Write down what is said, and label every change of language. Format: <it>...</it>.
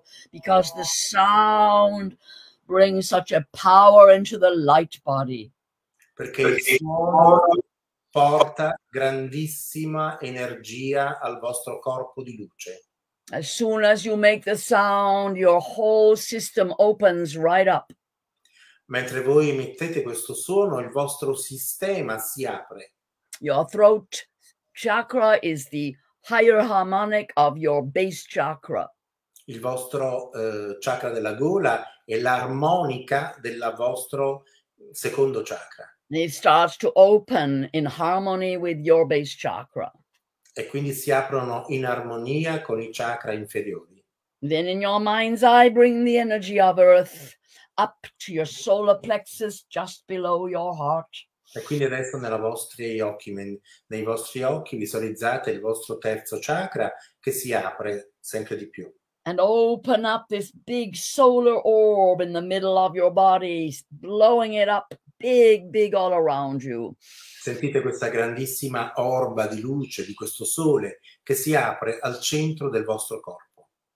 <en>because the sound brings such a power into the light body.</en> <it>Perché il suono porta grandissima energia al vostro corpo di luce.</it> <en>As soon as you make the sound, your whole system opens right up.</en> <it>Mentre voi emettete questo suono, il vostro sistema si apre.</it> <en>Your throat chakra is the higher harmonic of your base chakra.</en> <it>Il vostro chakra della gola è l'armonica della vostro secondo chakra.</it> <en>It starts to open in harmony with your base chakra.</en> <it>E quindi si aprono in armonia con i chakra inferiori.</it> <en>Then in your mind's eye bring the energy of earth up to your solar plexus just below your heart.</en> <it>E quindi adesso nella vostri occhi, nei vostri occhi visualizzate il vostro terzo chakra che si apre sempre di più.</it> <en>And open up this big solar orb in the middle of your body, blowing it up big, big all around you.</en> <it>Sentite questa grandissima orba di luce di questo sole che si apre al centro del vostro corpo.</it>